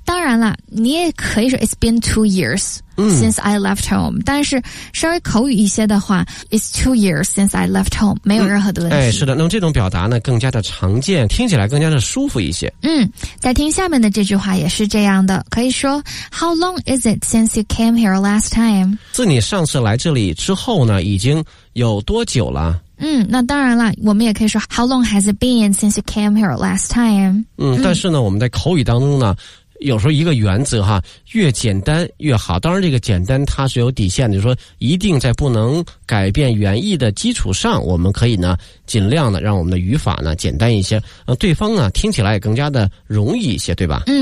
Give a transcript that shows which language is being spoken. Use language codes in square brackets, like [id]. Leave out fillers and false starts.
[zh] 当然了你也可以说 [en] It's been 2 years since I left home， [zh] 但是稍微口语一些的话 [en] It's 2 years since I left home [zh] 没有任何的问题。哎，是的，那么这种表达呢更加的常见，听起来更加的舒服一些。再听下面的这句话也是这样的，可以说 [en] How long is it since you came here last time？ [zh] 自你上次来这里之后呢已经有多久了。那当然了我们也可以说 [en] How long has it been since you came here last time？ [zh] 但是呢我们在口语当中呢有时候一个原则哈，越简单越好。当然这个简单它是有底线的，就是说一定在不能改变原意的基础上，我们可以呢尽量的让我们的语法呢简单一些，对方呢听起来也更加的容易一些，对吧。